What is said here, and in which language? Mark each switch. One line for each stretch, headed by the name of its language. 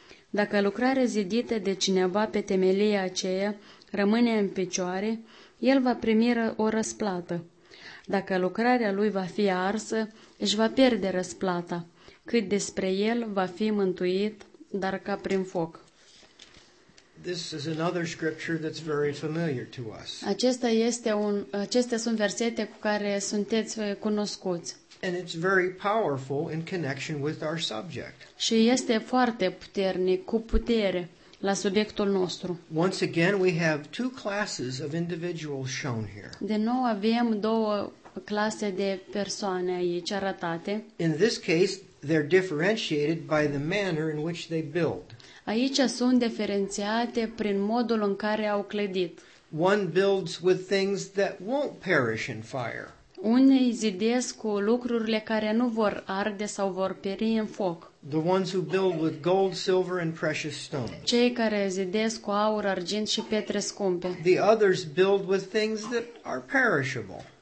Romanian: Dacă lucrarea zidită de cineva pe temelia aceea rămâne în picioare, el va primi o răsplată. Dacă lucrarea lui va fi arsă, își va pierde răsplata, cât despre el va fi mântuit, dar ca prin foc.
English: This is another scripture that's very familiar to us.
Romanian: Acestea sunt versete cu care sunteți cunoscuți.
English: And it's very powerful in connection with our subject.
Romanian: Și este foarte puternic, cu putere, la subiectul nostru.
English: Once again, we have two classes of individuals shown here.
Romanian: De nou avem două clase de persoane aici arătate.
English: In this case, they're differentiated by the manner in which they build.
Romanian: Aici sunt diferențiate prin modul în care au clădit.
English: One builds with things that won't perish in fire.
Romanian: Unii zidesc cu lucrurile care nu vor arde sau vor pieri în foc.
English: The ones who build with gold, silver and precious stones.
Romanian: Cei care zidesc cu aur, argint și pietre scumpe.
English: The others build with things that are perishable.